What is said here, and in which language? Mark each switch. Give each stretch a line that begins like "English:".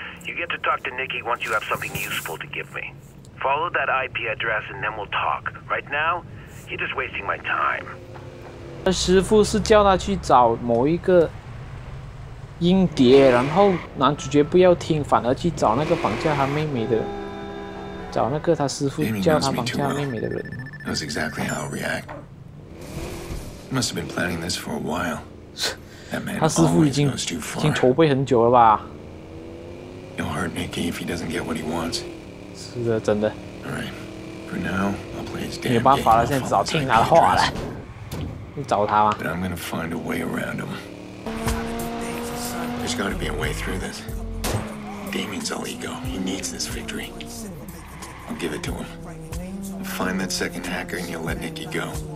English: You get to talk to Nikki once you have something useful to give me. Follow that IP address and then we'll talk. Right now, you're just wasting my time.
Chinese: 师父是叫他去找某一个音碟，然后男主角不要听，反而去找那个绑架他妹妹的，找那个他师父叫他绑架他妹妹的人。
English: That's exactly how I react. Must have been planning this for a while. That man always goes too far.
Chinese: 已经筹备很久了吧
English: ？He'll hurt Nikki if he doesn't get what he wants.
Chinese: 是的，真的。
English: Alright, for now, I'll play his damn game.
Chinese: 没办法了，现在只好听他的话了。找他吗？
English: But I'm gonna find a way around him. There's gotta be a way through this. Damien's all ego. He needs this victory. I'll give it to him. Find that second hacker and you'll let Nikki go.